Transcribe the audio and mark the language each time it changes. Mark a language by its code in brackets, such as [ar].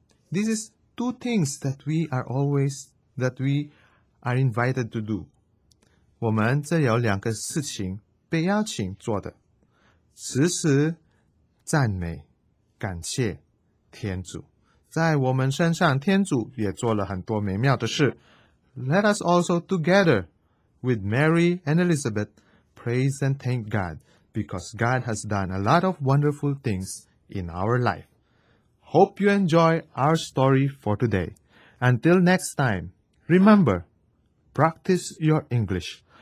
[en] This is two things that we are always that we are invited to do。 [zh] 我们这有两个事情被邀请做的，时时赞美感谢天主。在我们身上天主也做了很多美妙的事。 [en] Let us also together with Mary and Elizabeth praise and thank God because God has done a lot of wonderful things in our life. Hope you enjoy our story for today. Until next time, remember, practice your English.